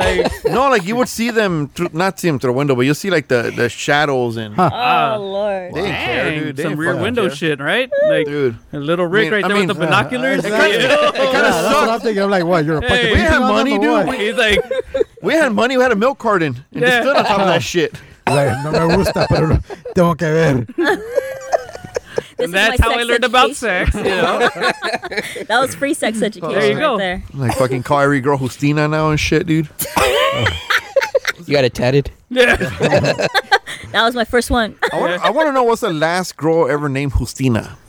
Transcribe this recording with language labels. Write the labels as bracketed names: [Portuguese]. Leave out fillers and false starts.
[English] Like, no, like you would see them, through the window, but you'll see like the shadows and. Oh, Lord. They didn't care, dude. Some rear window shit, right? Like, dude. A little Rick with the binoculars. It kind of sucks. That's what I'm thinking. I'm like, what? You're a fucking We had money, dude. He's like, we had money. We had a milk carton and just stood on top of that shit. [Spanish] Like, no me gusta, pero tengo que ver. [English] And that's how I learned about sex. You know? That was free sex education. There you go. Right there. Like fucking call every girl Justina now and shit, dude. You got it tatted? Yeah. That was my first one. I want to know what's the last girl ever named Justina.